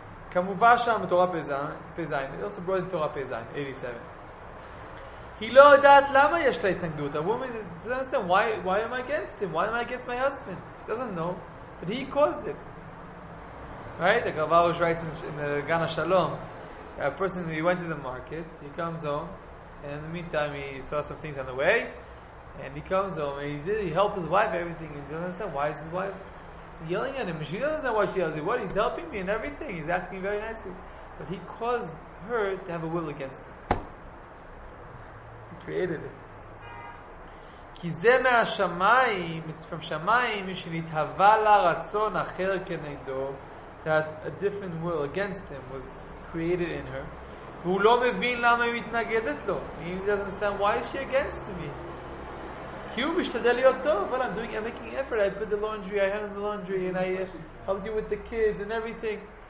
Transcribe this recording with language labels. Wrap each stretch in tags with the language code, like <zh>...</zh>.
<he>כמובן שם בתורה פזיין,</he> <en>it also brought in</en> <he>תורה פזיין, 87. היא לא יודעת למה יש לה התנגדות.</he> <en>A woman doesn't understand, why am I against him? Why am I against my husband? She doesn't know, but he caused it. Right? The Gavarush writes in the Gan HaShalom, a person, he went to the market, he comes home, and in the meantime, he saw some things on the way, and he comes home, and he helped his wife, everything, and he doesn't understand, why is his wife yelling at him? She doesn't know why she yells at him. What? He's helping me and everything. He's acting very nicely. But he caused her to have a will against him. He created it.</en> <he>כי זה מהשמיים,</he> <en>it's from שמיים,</en> <he>שנתהווה לה רצון אחר כנגדו,</he> <en>that a different will against him was created in her.</en> <he>והוא לא מבין למה היא מתנגדת לו.</he> <en>He doesn't understand why is she against me. But I'm doing, I'm making effort. I put the laundry, I handle the laundry, and I helped you with the kids and everything.</en>